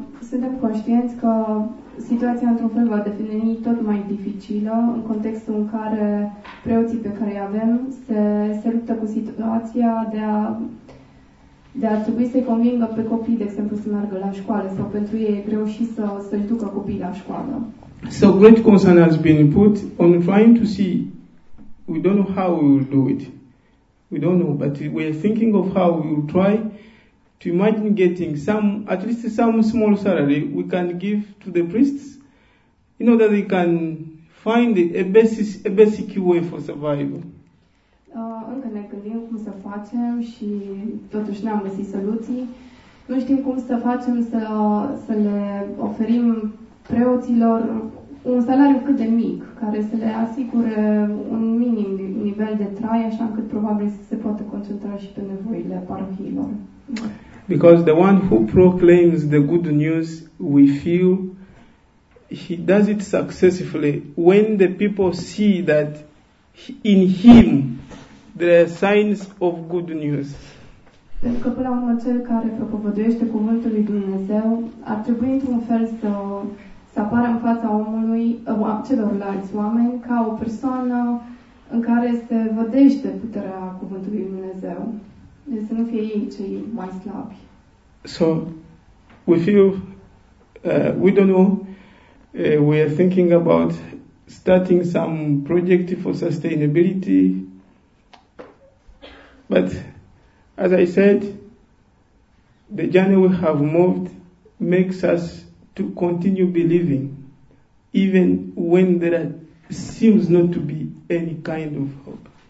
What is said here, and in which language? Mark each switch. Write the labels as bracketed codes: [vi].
[ro] Suntem conștienți că situația într-un fel va deveni tot mai dificilă în contextul în care preoții pe care îi avem se luptă cu situația de a trebui să-i convingă pe copii, de exemplu, să meargă la școală, sau pentru ei e greu și să-l ducă copiii la școală. [en] So great concern has been put on trying to see, we don't know how we will do it. We don't know, but we are thinking of how we will try to imagine getting at least some small salary we can give to the priests, in order they can find a basic way for survival. [ro] Încă ne gândim cum să facem și totuși n-am găsit soluții. Nu știm cum să facem să le oferim preoților un salariu cât de mic, care să le asigure un minim nivel de trai, așa încât probabil să se poată concentra și pe nevoile parohiilor. [en] Because the one who proclaims the good news, we feel, he does it successfully when the people see that in him there are signs of good news. [ro] Pentru că până la urmă cel care propovăduiește cuvântul lui Dumnezeu ar trebui într-un fel să apară în fața omului, celorlalți oameni, ca o persoană în care se vădește puterea cuvântului lui Dumnezeu. Deci să nu fie ei cei mai slabi. [en] So, we feel, we don't know, we are thinking about starting some project for sustainability. But, as I said, the journey we have moved makes us to continue believing, even when there seems not to be any kind of hope.